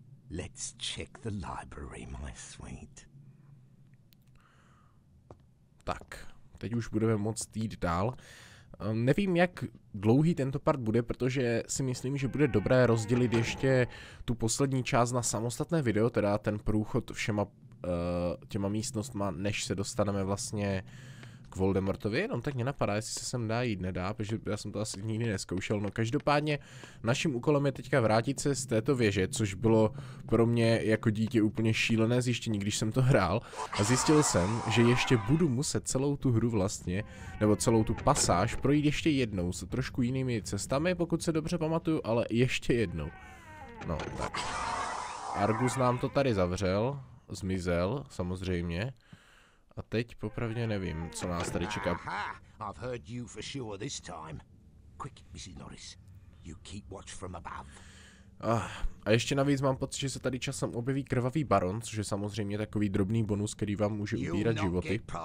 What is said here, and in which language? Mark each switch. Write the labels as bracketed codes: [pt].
[en] Let's check the library, my sweet. [cs] Tak, teď už budeme moct jít dál. Nevím, jak dlouhý tento part bude, protože si myslím, že bude dobré rozdělit ještě tu poslední část na samostatné video, teda ten průchod všema těma místnostma, než se dostaneme vlastně k Voldemortovi. Jenom tak mě napadá, jestli se sem dá jít, nedá, protože já jsem to asi nikdy neskoušel. No každopádně, naším úkolem je teďka vrátit se z této věže, což bylo pro mě jako dítě úplně šílené zjištění, když jsem to hrál. A zjistil jsem, že ještě budu muset celou tu hru vlastně, nebo celou tu pasáž, projít ještě jednou, s trošku jinými cestami, pokud se dobře pamatuju, ale ještě jednou. No tak. Argus nám to tady zavřel, zmizel, samozřejmě. A teď popravdě nevím, co nás tady čeká. [en] I've heard you for sure this time. Quick, Mrs. Norris, you keep watch from above. [cs] A ještě navíc mám pocit, že se tady časem objeví krvavý baron, což je samozřejmě takový drobný bonus, který vám může ubírat životy.